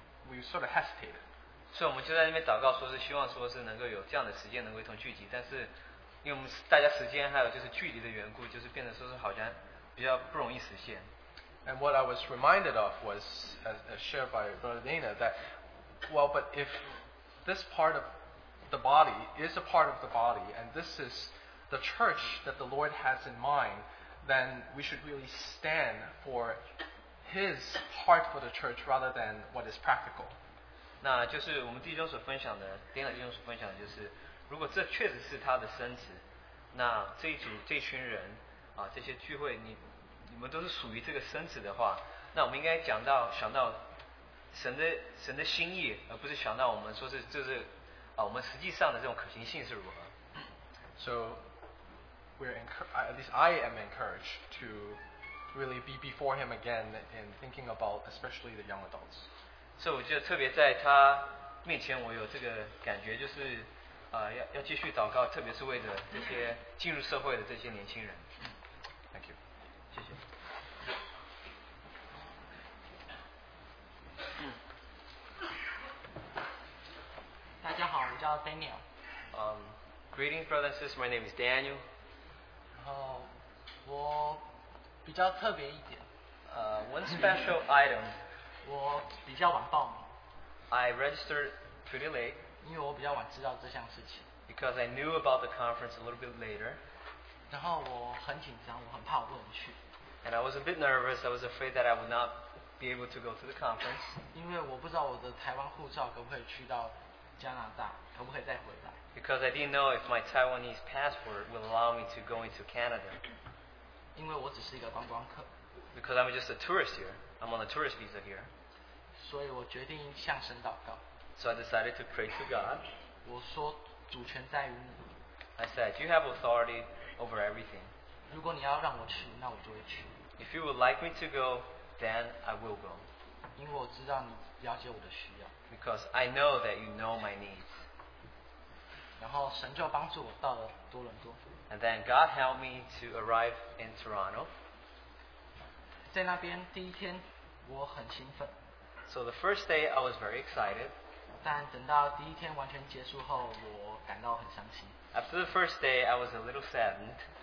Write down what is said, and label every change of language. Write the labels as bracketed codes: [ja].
[en] We sort of hesitated. [zh] 所以我们就在那边祷告，说是希望说是能够有这样的时间能够一同聚集，但是因为我们大家时间还有就是距离的缘故，就是变得说是好像比较不容易实现。 [en] And what I was reminded of was, as shared by Brother Dana, that well, but if this part of the body is a part of the body, and this is the church that the Lord has in mind, then we should really stand for His heart for the church rather than what is practical. [zh] 那就是我们弟兄所分享的，丁磊弟兄所分享的，就是如果这确实是他的身子，那这一组这一群人啊，这些聚会，你们都是属于这个身子的话，那我们应该想到神的心意，而不是想到我们说是就是啊，我们实际上的这种可行性是如何。 [en] So we're at least I am encouraged to. Really be before him again in thinking about especially the young adults. [zh] So, 我就特别在他面前，我有这个感觉，就是要继续祷告，特别是为着这些进入社会的这些年轻人。 [en] Thank you. [zh] 谢谢。 [en] called Daniel. Greetings, brothers and sisters. My name is Daniel. [zh] 然后我比较特别一点。 [en] One special item. [zh] 我比较晚报名。 [en] I registered pretty late. [zh] 因为我比较晚知道这项事情。 [en] Because I knew about the conference a little bit later. [zh] 然后我很紧张，我很怕我不能去。 [en] And I was a bit nervous. I was afraid that I would not be able to go to the conference. [zh] 因为我不知道我的台湾护照可不可以去到加拿大，可不可以再回来。 [en] Because I didn't know if my Taiwanese passport would allow me to go into Canada. [zh] 因为我只是一个观光客。 [en] Because I'm just a tourist here. I'm on a tourist visa here. [zh] 所以我决定向神祷告。 [en] So I decided to pray to God. [zh] 我说主权在于你。 [en] I said, you have authority over everything. [zh] 如果你要让我去, [en] if you would like me to go, then I will go. Because I know that you know my needs. [zh] 然后神就帮助我到了多伦多。 [en] And then God helped me to arrive in Toronto. [zh] 在那边第一天我很兴奋。 [en] So the first day I was very excited. [zh] 但等到第一天完全结束后，我感到很伤心。 [en] After the first day, I was a little saddened.